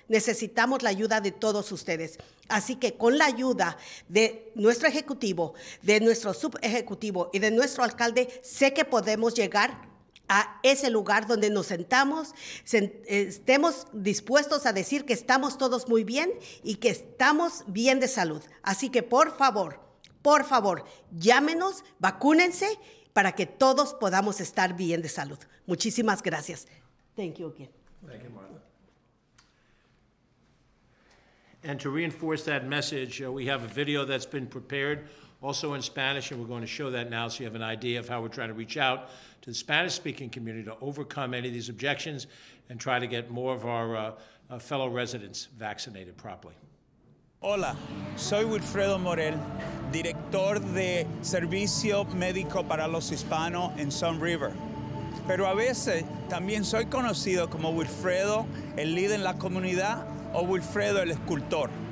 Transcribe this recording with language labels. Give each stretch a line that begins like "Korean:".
Spanish: Necesitamos la ayuda de todos ustedes. Así que con la ayuda de nuestro ejecutivo, de nuestro subejecutivo y de nuestro alcalde, sé que podemos llegar a ese lugar donde nos sentamos, estemos dispuestos a decir que estamos todos muy bien y que estamos bien de salud. Así que, por favor, llámenos, vacúnense para que todos podamos estar bien de salud. Muchísimas gracias.
English: Thank you again. Thank you, Martha. And to reinforce that message, we have a video that's been prepared also in Spanish, and we're going to show that now so you have an idea of how we're trying to reach out to the Spanish-speaking community to overcome any of these objections and try to get more of our fellow residents vaccinated properly.
Spanish: Hola, soy Wilfredo Morel, director de Servicio Médico para los Hispanos en Sun River. Pero a veces también soy conocido como Wilfredo, el líder en la comunidad, o Wilfredo, el escultor.